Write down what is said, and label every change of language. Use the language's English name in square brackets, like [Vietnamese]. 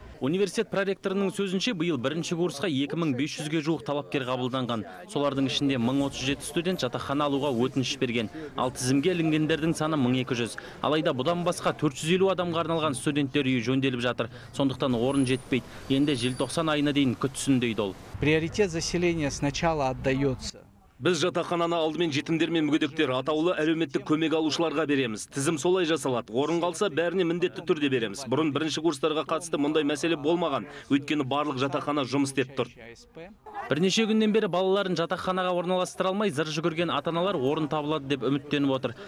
[Kazakh] Университет проректорының сөзінше, биыл бірінші курсқа 2500-ге жуық талапкер қабылданған. Солардың ішінде 1037 студент жатақхана алуға өтініш берген. Ал тізімге ілінгендердің саны 1200. Алайда бұдан басқа 450 адамға арналған студенттер үйі жөнделіп жатыр. Сондықтан орын жетпейді. Енді 90 айына дейін күтсін дейді ол. [Russian] Приоритет заселения сначала отдается. [Kazakh] Біз жатақананы алдымен жетімдер мен мүгедектер атаулы әлеуметтік көмек алушыларға береміз. Тізім солай жасалады. Орын қалса, бәріне міндетті түрде береміз. Бұрын бірінші курстарға қатысты мұндай мәселе болмаған, өйткені барлық жатақхана жұмыс істеп тұр. Бірнеше күннен бері балаларын жатақханаға орналастыра алмай, зыр жүгірген ата-аналар орын табылады деп үміттеніп отыр.